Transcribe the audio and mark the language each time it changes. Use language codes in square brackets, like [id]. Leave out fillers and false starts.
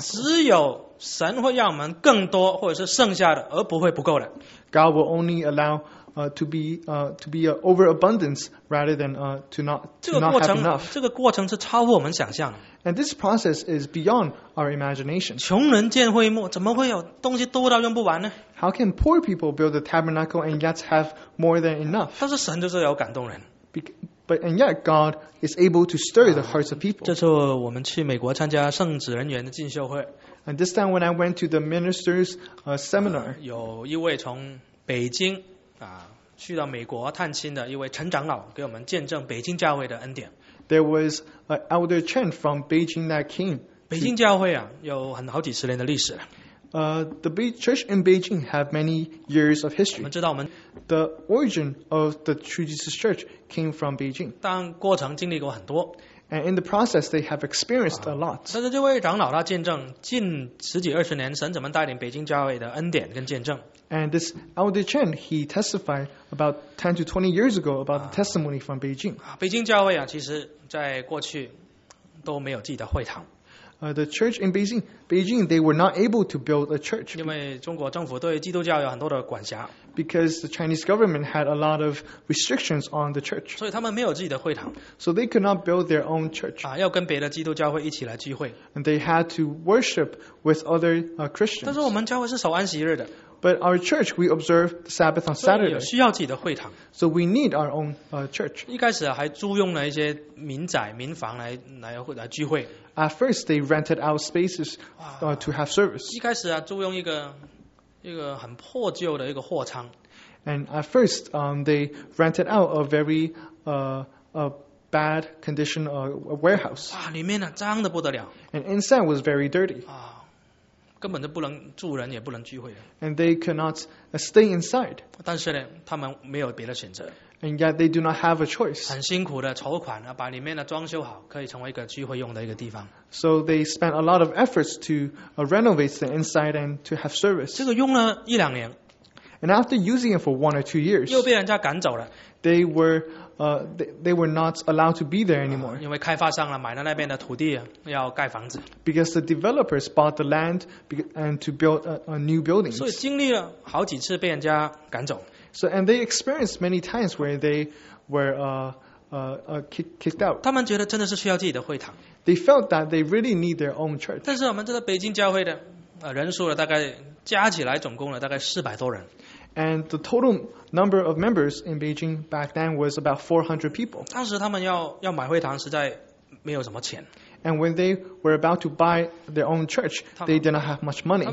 [zh] 只有神会让我们更多或者是剩下的，而不会不够的。 [en] God will only allow to be overabundance rather than to not have enough. [zh] 这个过程是超乎我们想象的。 [en] And this process is beyond our imagination. [zh] 穷人建会幕，怎么会有东西多到用不完呢？ [en] How can poor people build a tabernacle and yet have more than enough? [zh] 但是神就是有感动人。 [en] But and yet God is able to stir the hearts of people. [zh] 这次我们去美国参加圣职人员的进修会。 [en] And this time when I went to the minister's seminar, [zh] 有一位从北京去到美国探亲的一位陈长老给我们见证北京教会的恩典。 [en] There was an elder Chen from Beijing that came. [zh] 北京教会有好几十年的历史。 [en] The church in Beijing have many years of history. [zh] 我们知道我们 [en] The origin of the True Jesus Church came from Beijing. [zh] 但过程经历过很多。 [en] And in the process, they have experienced a lot. [zh] 但是这位长老他见证近十几二十年神怎么带领北京教会的恩典跟见证。 [en] And this Elder Chen, he testified about 10 to 20 years ago about the testimony from Beijing. [zh] 北京教会其实在过去都没有自己的会堂。 [en] The church in Beijing, they were not able to build a church. [zh] 因为中国政府对基督教有很多的管辖。 [en] Because the Chinese government had a lot of restrictions on the church. [zh] 所以他们没有自己的会堂。 [en] So they could not build their own church. [zh] 要跟别的基督教会一起来聚会。 [en] And they had to worship with other Christians. [zh] 但是我们教会是守安息日的。 [en] But our church, we observe the Sabbath on Saturday. [zh] 所以有需要自己的会堂。 [en] So we need our own church. [zh] 一开始还租用了一些民宅、民房 来聚会。 [en] At first, they rented out spaces to have service. [zh] 一开始租用一个很破旧的一个货仓。 [en] And at first, they rented out a very bad condition warehouse. [zh] 里面脏得不得了。 [en] And inside was very dirty. [zh] 根本就不能住人，也不能聚会。 [en] And they cannot stay inside. [zh] 但是呢，他们没有别的选择。 [en] And yet they do not have a choice. [zh] 很辛苦的筹款，把里面的装修好，可以成为一个聚会用的一个地方。 [en] So they spent a lot of efforts to renovate the inside and to have service. [zh] 这个用了一两年。 [en] And after using it for 1 or 2 years, [zh] 又被人家赶走了。 [en] They were not allowed to be there anymore. [zh] 因为开发商买了那边的土地要盖房子。 [en] Because the developers bought the land and to build a new building. [zh] 所以经历了好几次被人家赶走。 [en] So and they experienced many times where they were kicked out. [zh] 他们觉得真的是需要自己的会堂。 [en] They felt that they really need their own church. [zh] 但是我们这个北京教会的人数大概加起来总共大概400多人。 [en] And the total number of members in Beijing back then was about 400 people. [zh] 当时他们要买会堂实在没有什么钱。 [en] And when they were about to buy their own church, they did not have much money.